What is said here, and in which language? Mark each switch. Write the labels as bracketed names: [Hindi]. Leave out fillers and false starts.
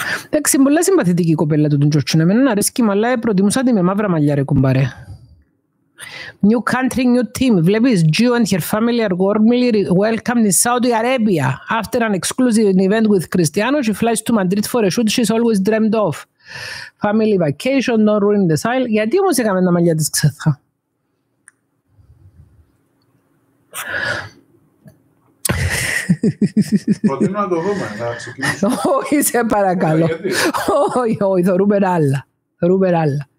[Greek] Εντάξει, πολλά συμπαθητική κοπέλα του Τζορτσίνα. Εμένα αρέσκει, αλλά προτιμούσα τη με μαύρα μαλλιά, ρε κουμπάρε. [English] New country, new team. Βλέπεις, Gio and her family are warmly welcomed in Saudi Arabia. After an exclusive event with Cristiano, she flies to Madrid for a shoot she's always dreamed of. Family vacation, no ruin the style. [Greek] Γιατί όμως έκαμε τα μαλλιά της ξεθά. Προτείνω να το δούμε, να ξεκινήσουμε. Όχι, σε παρακαλώ. Όχι, όχι, θορούμε άλλα. Θορούμε άλλα.